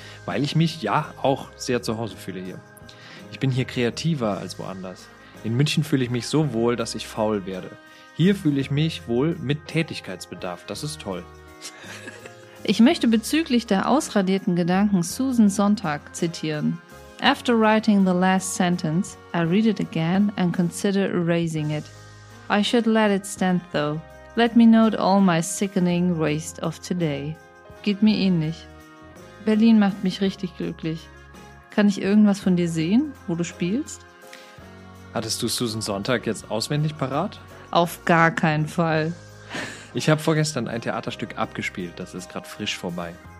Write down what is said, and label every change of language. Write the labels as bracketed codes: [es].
[de] Weil ich mich, ja, auch sehr zu Hause fühle hier. Ich bin hier kreativer als woanders. In München fühle ich mich so wohl, dass ich faul werde. Hier fühle ich mich wohl mit Tätigkeitsbedarf. Das ist toll. Ich möchte bezüglich der ausradierten Gedanken Susan Sontag zitieren. [en] After writing the last sentence, I read it again and consider erasing it. I should let it stand though. Let me note all my sickening waste of today. [de] Geht mir ähnlich. Berlin macht mich richtig glücklich. Kann ich irgendwas von dir sehen, wo du spielst? Hattest du Susan Sontag jetzt auswendig parat? Auf gar keinen Fall. Ich habe vorgestern ein Theaterstück abgespielt, das ist gerade frisch vorbei.